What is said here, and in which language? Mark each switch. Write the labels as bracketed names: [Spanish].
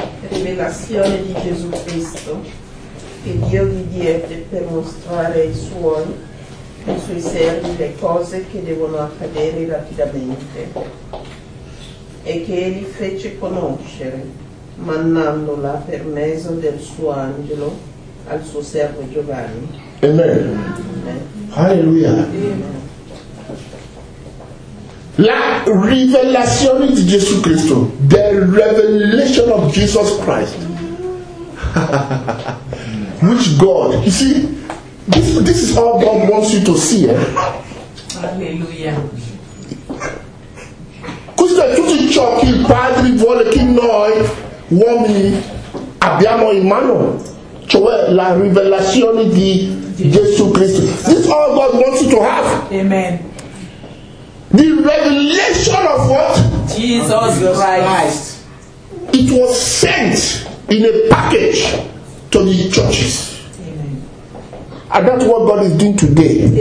[Italian] Rivelazione di Gesù Cristo, che Dio gli diede per mostrare ai suoi servi le cose che devono accadere rapidamente e che egli fece conoscere, mandandola per mezzo del suo angelo al suo servo Giovanni. Amen. Alleluia. La rivelazione di Gesù Cristo, [English] the revelation of Jesus Christ, which God, you see, this is how God wants you to see. [Italian] Alleluia. Questo è tutto ciò che il Padre vuole che noi uomini abbiamo in mano, cioè la rivelazione di Gesù Cristo. [English] This is all God wants you to have. Amen. The revelation of what? Jesus Christ. It was sent in a package to the churches. Amen. And that's what God is doing today.